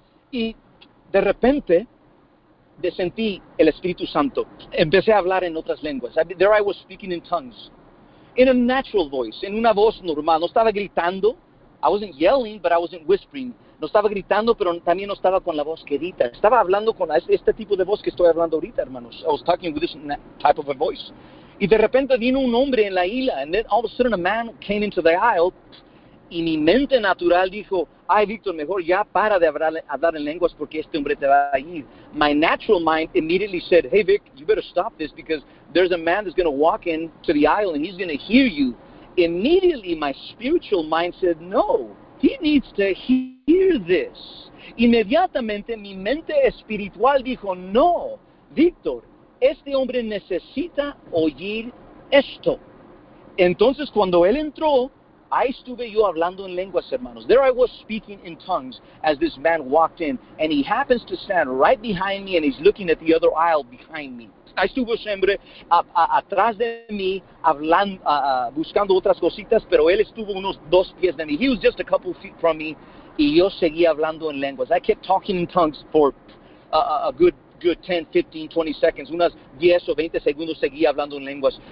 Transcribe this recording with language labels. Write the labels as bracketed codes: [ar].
[es] Y de repente, sentí el Espíritu Santo. Empecé a hablar en otras lenguas. [en] There I was speaking in tongues. In a natural voice, [es] en una voz normal. No estaba gritando. [en] I wasn't yelling, but I wasn't whispering. [es] No estaba gritando, pero también no estaba con la voz quedita. Estaba hablando con este tipo de voz que estoy hablando ahorita, hermanos. [en] I was talking with this type of a voice. [es] Y de repente vino un hombre en la isla, [en] and then all of a sudden a man came into the aisle, [es] y mi mente natural dijo, ay, Víctor, mejor ya para de hablar en lenguas porque este hombre te va a ir. [en] My natural mind immediately said, hey, Vic, you better stop this because there's a man that's going to walk into the aisle and he's going to hear you. Immediately, my spiritual mind said, no, he needs to hear this. [es] Inmediatamente, mi mente espiritual dijo, no, Víctor, este hombre necesita oír esto. Entonces, cuando él entró, ahí estuve yo hablando en lenguas, hermanos. [en] There I was speaking in tongues as this man walked in, and he happens to stand right behind me, and he's looking at the other aisle behind me. [es] Ahí estuvo siempre atrás de mí, hablando, buscando otras cositas, pero él estuvo unos dos pies de mí. [en] He was just a couple feet from me, [es] y yo seguí hablando en lenguas. [en] I kept talking in tongues for a good 10, 15, 20 seconds, [es] unas 10 o 20 segundos seguí hablando en lenguas.